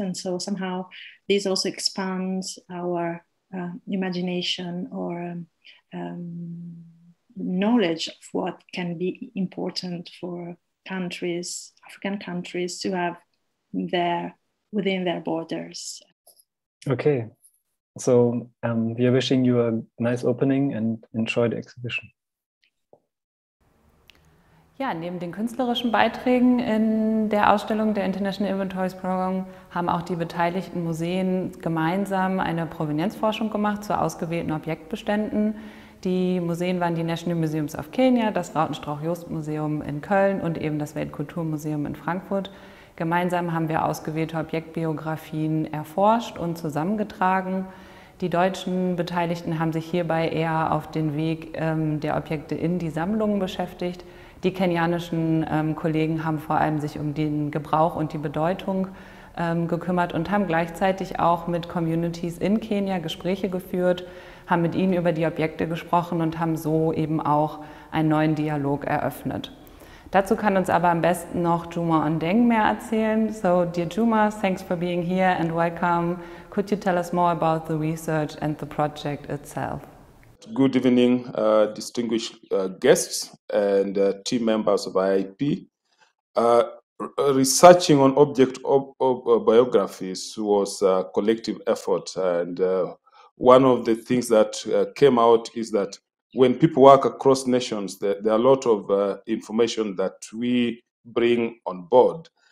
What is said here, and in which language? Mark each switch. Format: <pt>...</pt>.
<en>And so somehow this also expands our imagination or knowledge of what can be important for countries, African countries, to have there within their borders. Okay. So we are wishing you a nice opening and enjoy the exhibition.</en> <de>Ja, neben den künstlerischen Beiträgen in der Ausstellung der International Inventories Program haben auch die beteiligten Museen gemeinsam eine Provenienzforschung gemacht zu ausgewählten Objektbeständen. Die Museen waren die National Museums of Kenya, das Rautenstrauch-Jost-Museum in Köln und eben das Weltkulturmuseum in Frankfurt. Gemeinsam haben wir ausgewählte Objektbiografien erforscht und zusammengetragen. Die deutschen Beteiligten haben sich hierbei eher auf den Weg der Objekte in die Sammlungen beschäftigt. Die kenianischen Kollegen haben vor allem sich um den Gebrauch und die Bedeutung gekümmert und haben gleichzeitig auch mit Communities in Kenia Gespräche geführt, haben mit ihnen über die Objekte gesprochen und haben so eben auch einen neuen Dialog eröffnet. Dazu kann uns aber am besten noch Juma Ondeng mehr erzählen.</de> <en>So, dear Juma, thanks for being here and welcome. Could you tell us more about the research and the project itself? Good evening, distinguished guests and team members of IIP. Researching on object biographies was a collective effort, and one of the things that came out is that when people work across nations, there are a lot of information that we bring on board.</en>